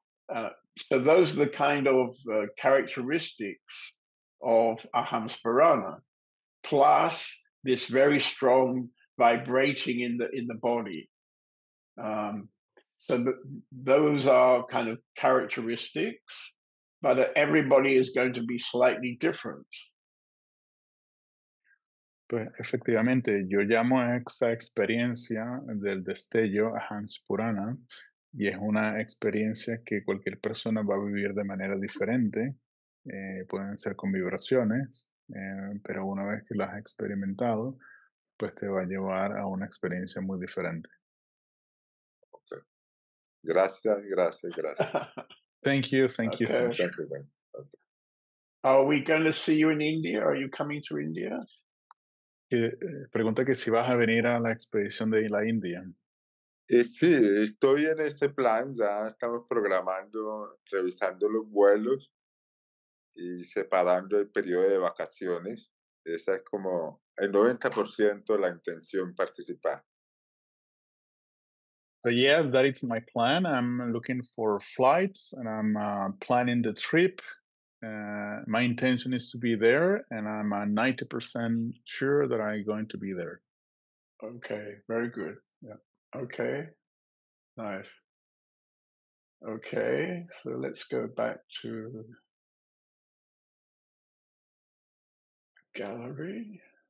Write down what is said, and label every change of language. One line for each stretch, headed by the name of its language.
English: So those are the kind of characteristics of Aham Spurana, plus this very strong vibrating in the body. So those are kind of characteristics, but everybody is going to be slightly different.
Spanish: Pues efectivamente, yo llamo a esa experiencia del destello Aham Spurana, y es una experiencia que cualquier persona va a vivir de manera diferente. Pueden ser con vibraciones. Pero una vez que lo has experimentado, pues te va a llevar a una experiencia muy diferente. Okay. Gracias.
English: Thank you. Are we going to see you in India? Are you coming to India?
Spanish: Pregunta que si vas a venir a la expedición de la India. Sí, estoy en este plan, ya estamos programando, revisando los vuelos y separando el periodo de vacaciones. Esa es como el 90% de la intención participar.
English: So yeah, that is my plan. I'm looking for flights and I'm planning the trip. My intention is to be there and I'm 90% sure that I'm going to be there. Okay, very good. Yeah. Okay, nice. Okay, so let's go back to gallery.